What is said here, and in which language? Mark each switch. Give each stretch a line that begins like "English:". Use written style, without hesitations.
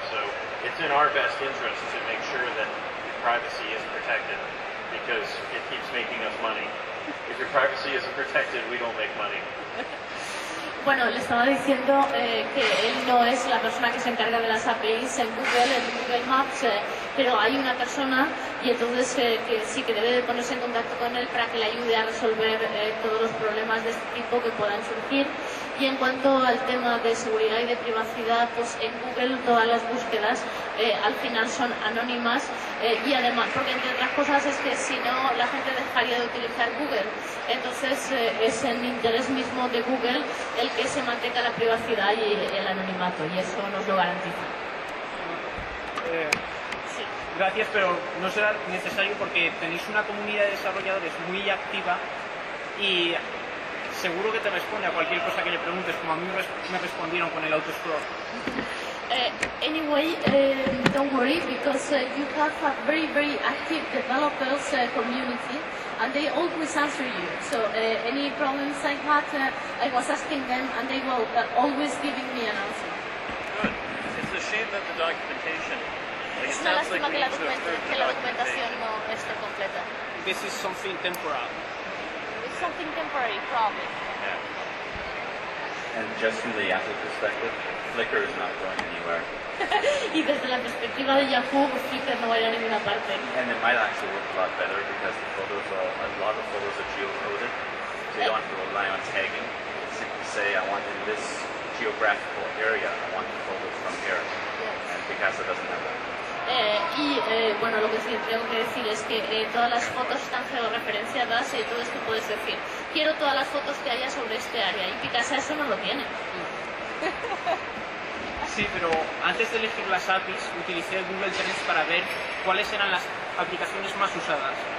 English: So it's in our best interest to make sure that privacy is protected, because it keeps making us money. If your privacy isn't protected, we don't make money.
Spanish: Bueno, le estaba diciendo que él no es la persona que se encarga de las APIs en Google Maps, pero hay una persona y entonces que sí que debe de ponerse en contacto con él para que le ayude a resolver todos los problemas de este tipo que puedan surgir. Y en cuanto al tema de seguridad y de privacidad, pues en Google todas las búsquedas al final son anónimas y además, porque entre otras cosas es que si no la gente dejaría de utilizar Google. Entonces es en interés mismo de Google el que se mantenga la privacidad y el anonimato, y eso nos lo garantiza. Gracias, pero no será necesario porque tenéis una comunidad de desarrolladores muy activa y seguro que te responde a cualquier cosa que le preguntes, como a mí me respondieron con el autoscroll.
English: Anyway, don't worry, because you have a very, very active developers community, and they always answer you. So any problems I had, I was asking them, and they were always giving me an answer. Good. It's a shame that the documentation.
Spanish: Es una lástima que la documentación no esté completa.
English: This is something temporary. It's something temporary, probably. Yeah. And just from the Yahoo perspective, Flickr is not going anywhere.
Spanish: Y desde la perspectiva de Yahoo, Flickr no va a ninguna parte.
English: And it might actually work a lot better because the photos are, a lot of photos are geocoded, so you don't have to rely on tagging. Say, I want in this geographical area, I want the photos from here. Yes. And Picasso doesn't have that.
Spanish: Bueno, lo que sí tengo que decir es que todas las fotos están georreferenciadas y todo esto puedes decir, quiero todas las fotos que haya sobre este área, y Picasa eso no lo tiene. Sí, pero antes de elegir las APIs, utilicé Google Trends para ver cuáles eran las aplicaciones más usadas.